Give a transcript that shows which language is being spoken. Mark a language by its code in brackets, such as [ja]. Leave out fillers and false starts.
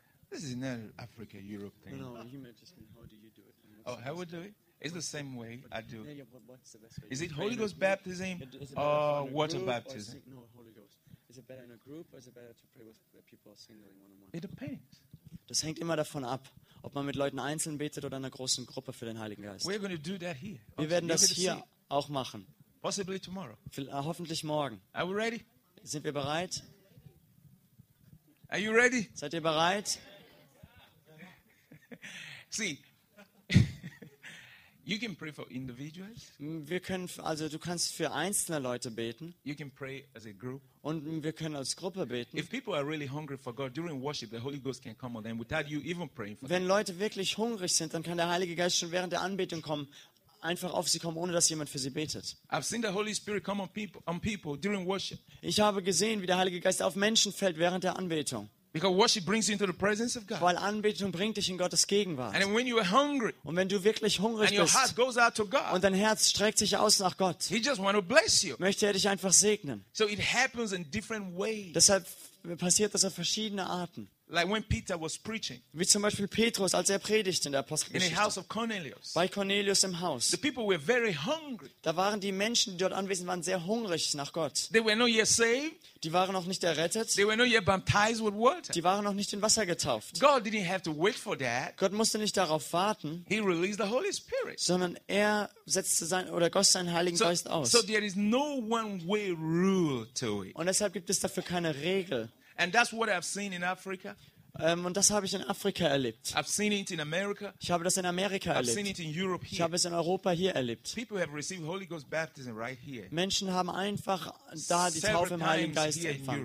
[en] This is not Africa, Europe thing. No, you meant just mean, how do you do it? Oh, how would do it? It's the same way I do. Yeah, but what's the best way? Is it Holy Ghost baptism or water baptism? No, Holy Ghost. Is it better in a group or is it better to pray with people singly one-on-one? It depends. [de] Das hängt immer davon ab, ob man mit Leuten einzeln betet oder in einer großen Gruppe für den Heiligen Geist. [en] We're going to do that here. [de] Wir werden das hier auch machen. [en] Possibly tomorrow. [de] Hoffentlich morgen. [en] Are we ready? [de] Sind wir bereit? [en] Are you ready? [de] Seid ihr bereit? [en] See. You can pray for individuals. [de] Wir können, also du kannst für einzelne Leute beten. [en] You can pray as a group. [de] Und wir können als Gruppe beten. [en] If people are really hungry for God during worship, the Holy Ghost can come on them without you even praying for them. [de] Wenn Leute wirklich hungrig sind, dann kann der Heilige Geist schon während der Anbetung kommen, einfach auf sie kommen, ohne dass jemand für sie betet. [en] I've seen the Holy Spirit come on people during worship. [de] Ich habe gesehen, wie der Heilige Geist auf Menschen fällt während der Anbetung. [en] Because worship brings you into the presence of God. [de] Weil Anbetung bringt dich in Gottes Gegenwart. [en] And when you are hungry, [de] und wenn du wirklich hungrig [en] and your [de] bist, [en] heart goes out to God, [de] und dein Herz streckt sich aus nach Gott, [en] he just want to bless you. [de] Möchte er dich einfach segnen. [en] So it happens in different ways. [de] Deshalb passiert das auf verschiedene Arten. [en] Like when Peter was preaching. [de] Wie zum Beispiel Petrus, als er predigte in der Apostelgeschichte. [en] In the house of Cornelius. [de] Bei Cornelius im Haus. [en] The people were very hungry. [de] Da waren die Menschen, die dort anwesend waren, sehr hungrig nach Gott. [en] They were not yet saved. [de] Die waren noch nicht errettet. [en] They were not yet baptized with water. [de] Die waren noch nicht in Wasser getauft. [en] God didn't have to wait for that. [de] Gott musste nicht darauf warten. [en] He released the Holy Spirit. [de] Sondern er setzte sein oder goss seinen Heiligen Geist aus. [en] So there is no one way rule to it. [de] Und deshalb gibt es dafür keine Regel. [en] And that's what I've seen in Africa. [de] Und das habe ich in Afrika erlebt. [en] I've seen it in America. [de] Ich habe das in Amerika [en] I've [de] erlebt. [en] Seen it in Europe here. [de] Ich habe es in Europa hier erlebt. [en] People have received Holy Ghost baptism right here. [de] Menschen haben einfach da die [en] several [de] Taufe im Heiligen Geist empfangen.